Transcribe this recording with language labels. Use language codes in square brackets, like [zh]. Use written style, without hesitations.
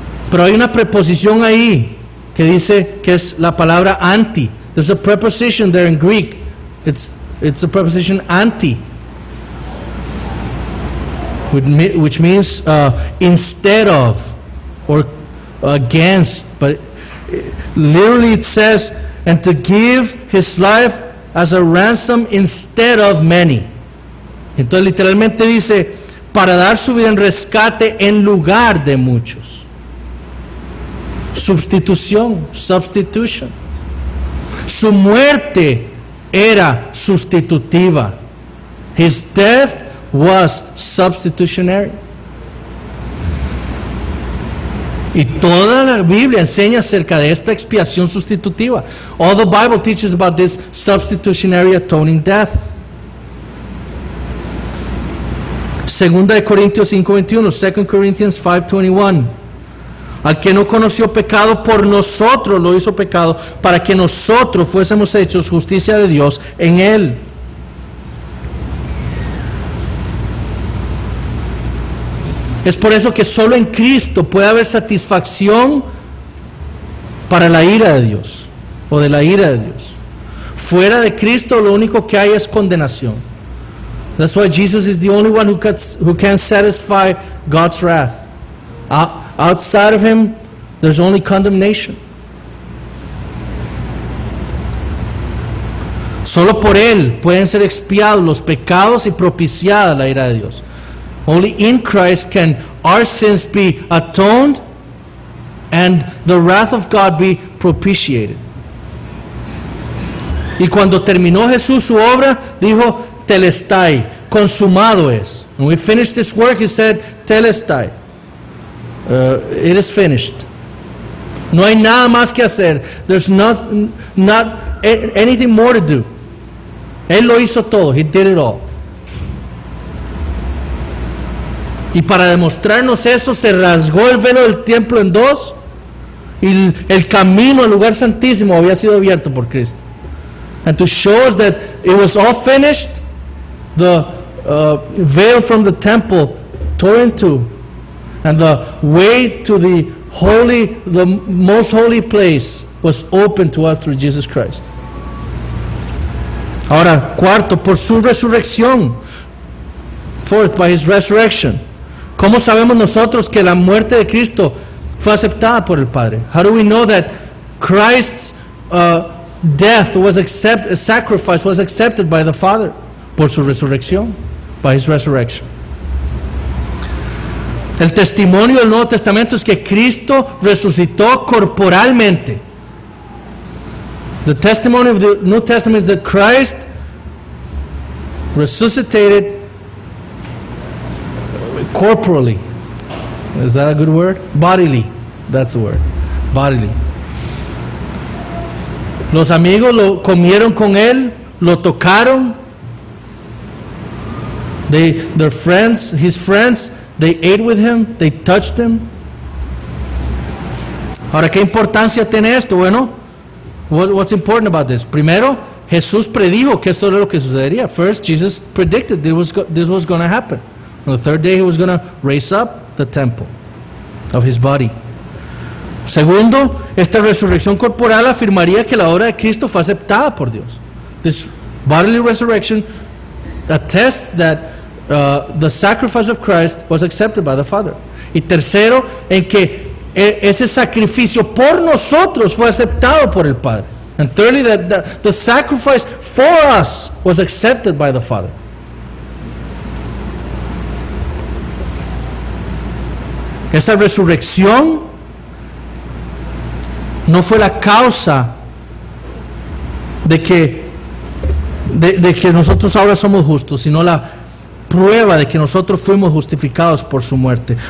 [es] Pero hay una preposición ahí que dice que es la palabra anti. [en] There's a preposition there in Greek. It's a preposition anti, which means instead of or against. But literally it says, and to give his life as a ransom instead of many. [es] Entonces literalmente dice, para dar su vida en rescate en lugar de muchos. Sustitución, [en] substitution. [es] Su muerte era sustitutiva. [en] His death was substitutionary. [es] Y toda la Biblia enseña acerca de esta expiación sustitutiva. [en] All the Bible teaches about this substitutionary atoning death. [es] Segunda de Corintios 5:21, [en] 2 Corinthians 5:21. [es] Al que no conoció pecado, por nosotros lo hizo pecado, para que nosotros fuésemos hechos justicia de Dios en él. Es por eso que solo en Cristo puede haber satisfacción para la ira de Dios, o de la ira de Dios. Fuera de Cristo lo único que hay es condenación. [en] That's why Jesus is the only one who can satisfy God's wrath. Outside of him, there's only condemnation. [es] Solo por él pueden ser expiados los pecados y propiciada la ira de Dios. [en] Only in Christ can our sins be atoned and the wrath of God be propitiated. [es] Y cuando terminó Jesús su obra, dijo, Telestai, consumado es. [en] When we finished this work, he said, Telestai, it is finished. [es] No hay nada más que hacer. [en] There's not anything more to do. [es] Él lo hizo todo. [en] He did it all. [es] Y para demostrarnos eso, se rasgó el velo del templo en dos y el camino al lugar santísimo había sido abierto por Cristo. [en] And to show us that it was all finished, the veil from the temple tore in two, and the way to the holy, the most holy place was open to us through Jesus Christ. [es] Ahora, cuarto, por su resurrección. [en] Fourth, by his resurrection. [es] ¿Cómo sabemos nosotros que la muerte de Cristo fue aceptada por el Padre? [en] How do we know that Christ's death was accepted, sacrifice was accepted by the Father? [es] Por su resurrección. [en] By his resurrection. [es] El testimonio del Nuevo Testamento es que Cristo resucitó corporalmente. [en] The testimony of the New Testament is that Christ resuscitated corporally. Is that a good word? Bodily. That's the word. Bodily. [es] Los amigos lo comieron con él, lo tocaron. [en] His friends ate with him, they touched him. [es] Ahora, ¿qué importancia tiene esto? Bueno, [en] what's important about this? [es] Primero, Jesús predijo que esto era lo que sucedería. [en] First, Jesus predicted this was going to happen. On the third day, he was going to raise up the temple of his body. [es] Segundo, esta resurrección corporal afirmaría que la obra de Cristo fue aceptada por Dios. [en] This bodily resurrection attests that the sacrifice of Christ was accepted by the Father. [es] Y tercero, en que ese sacrificio por nosotros fue aceptado por el Padre. [en] And thirdly, that the sacrifice for us was accepted by the Father. [es] Esa resurrección no fue la causa de que nosotros ahora somos justos, sino la prueba de que nosotros fuimos justificados por su muerte.